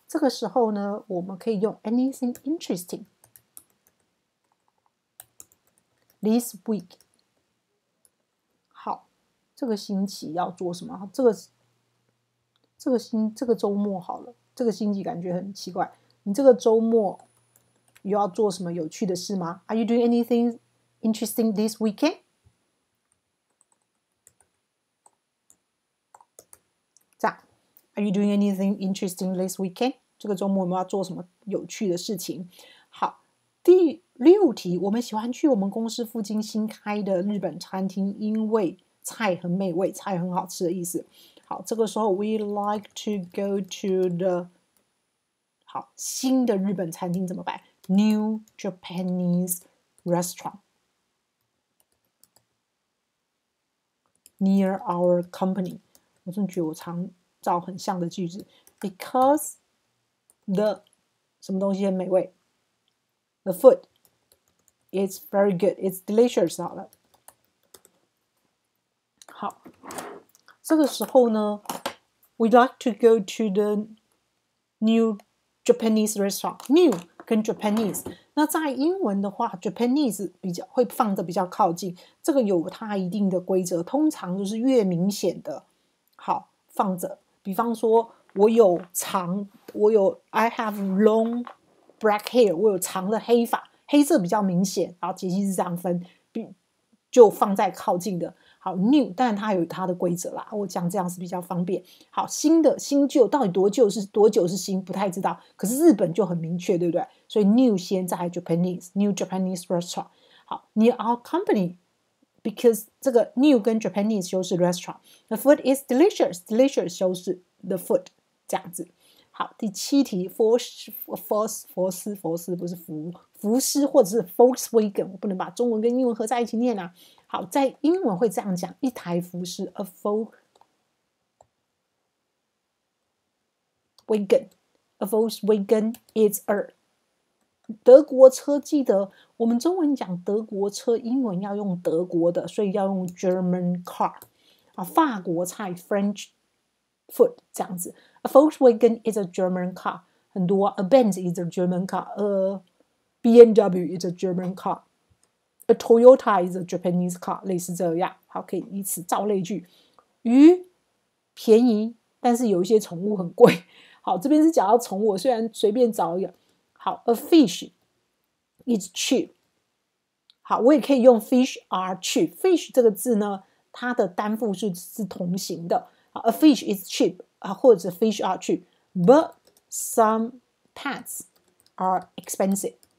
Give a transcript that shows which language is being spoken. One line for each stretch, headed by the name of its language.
Chinese: 这个时候呢，我们可以用
English: anything interesting this week。
Chinese: 好，这个星期要做什么？这个周末好了，这个星期感觉很奇怪。你这个周末又要做什么有趣的事吗？
English: Are you doing anything interesting this weekend? 这样， Are you doing anything interesting this weekend?
Chinese: 这个周末我们要做什么有趣的事情？好，第六题，我们喜欢去我们公司附近新开的日本餐厅，因为菜很美味，菜很好吃的意思。好，这个时候
English: we like to go to the
Chinese: 好新的日本餐厅怎么办？
English: New Japanese restaurant near our company.
Chinese: 我真的觉得我常造很像的句子。
English: Because the
Chinese: 什么东西很美味
English: ？The food is very good. It's delicious.
Chinese: 好了，好，这个时候呢
English: ，We like to go to the new Japanese restaurant. New.
Chinese: 跟 Japanese， 那在英文的话 Japanese 比较会放的比较靠近，这个有它一定的规则，通常就是越明显的好放着。比方说我有长，我有
English: I have long black hair，
Chinese: 我有长的黑发，黑色比较明显，然后杰西是这样分，就放在靠近的。好 new， 但它有它的规则啦，我讲这样是比较方便。好，新的新旧到底多旧是多久是新不太知道，可是日本就很明确，对不对？
English: 所以 new 先在 Japanese， new Japanese restaurant。 好， near our company， because 这个 new 跟 Japanese 就是 restaurant， the food is delicious， delicious 就是 the food， 这样子。
Chinese: 好，第七题， Volkswagen 不是福斯或者是 Volkswagen， 我不能把中文跟英文合在一起念啊。好，在英文会这样讲，一台福斯 a Volkswagen，
English: a Volkswagen is a
Chinese: 德国车。记得我们中文讲德国车，英文要用德国的，所以要用 German car， 啊，法国菜 French food 这样子。
English: A Volkswagen is a German car，
Chinese: 很多
English: a Benz is a German car， a BMW is a German car。 A Toyota is a Japanese car，
Chinese: 类似这样。好，可以以此造类句。鱼便宜，但是有一些宠物很贵。好，这边是讲到宠物，虽然随便找一个。好，
English: A fish is cheap。
Chinese: 好，我也可以用
English: fish are cheap。
Chinese: fish 这个字呢，它的单复数是同形的。
English: A fish is cheap，
Chinese: 或者
English: fish are cheap， but some pets are expensive。